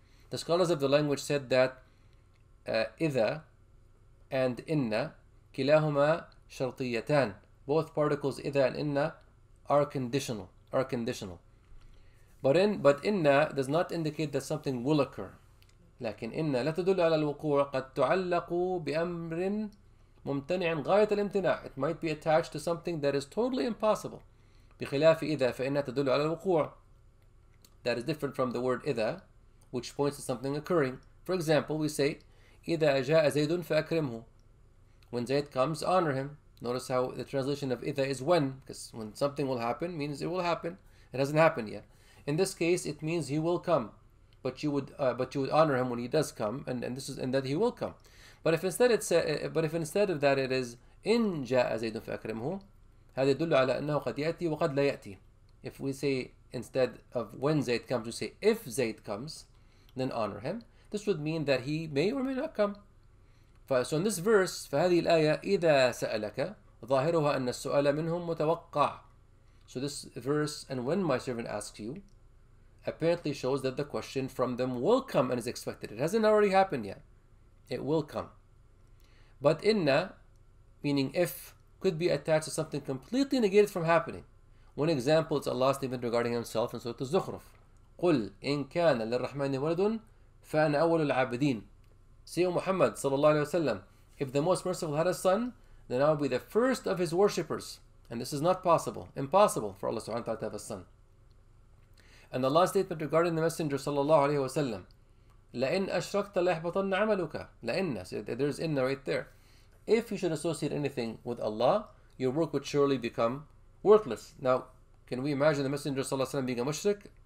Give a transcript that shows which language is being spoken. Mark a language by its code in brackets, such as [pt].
[en] The scholars of the language said that إذا and إن كلاهما شرطيتان. Both particles إذا and إن are conditional. But إن does not indicate that something will occur. [ar] لكن إن لا تدل على الوقوع قد تعلق بأمر ممتنع غاية الامتناع. [en] It might be attached to something that is totally impossible. [ar] بخلاف إذا فإنها تدل على الوقوع. [en] That is different from the word إذا, which points to something occurring. For example, we say, إذا جاء زيد فأكرمه. When Zayd comes, honor him. Notice how the translation of إذا is when, because when something will happen means it will happen. It hasn't happened yet. In this case, it means he will come, but you would honor him when he does come, and that he will come. [ar] But if instead instead of that it is إن جاء زيد فأكرمه, هذا يدل على أنه قد يأتي وقد لا يأتي. [en] If we say instead of when Zayd comes, we say if Zayd comes, then honor him. This would mean that he may or may not come. [ar] So in this verse, فهذه الآية إذا سألك ظاهرها أن السؤال منهم متوقع. [en] So this verse, and when my servant asks you, apparently shows that the question from them will come and is expected. It hasn't already happened yet. It will come. But inna, meaning if, could be attached to something completely negated from happening. One example is Allah's statement regarding himself in Surah Az-Zukhruf. [ar] قُلْ إِنْ كَانَ لِلرَّحْمَنِ وَلَدٌ فَأَنَا أَوَّلُ الْعَابِدِينَ. [en] Say, O Muhammad صلى الله عليه وسلم, if the Most Merciful had a son, then I would be the first of his worshippers. And this is not possible, impossible for Allah subhanahu wa ta'ala to have a son. And Allah's statement regarding the Messenger صلى الله عليه وسلم, لَإِنْ أَشْرَكْتَ لَيَحْبَطَنَّ عَمَلُكَ. لَإِنَّ, there's inna right there. If you should associate anything with Allah, your work would surely become worthless. Now, can we imagine the Messenger صلى الله عليه وسلم being a mushrik?